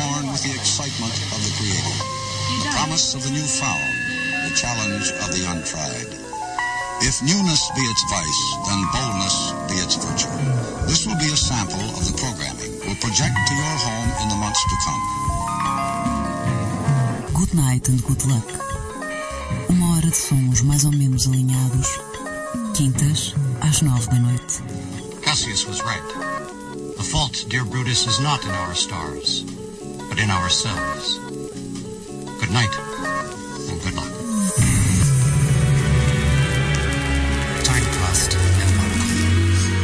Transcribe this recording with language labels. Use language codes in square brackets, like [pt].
[en] Of the new found, the challenge of the untried. If newness be its vice, then boldness be its virtue. This will be a sample of the programming we'll project to your home in the months to come. Good night and good luck. [pt] Uma hora de sons mais ou menos alinhados. Quintas às 9 da noite. [en] Cassius was right. The fault, dear Brutus, is not in our stars, but in ourselves. Good night. Good luck. Time passed and one comes.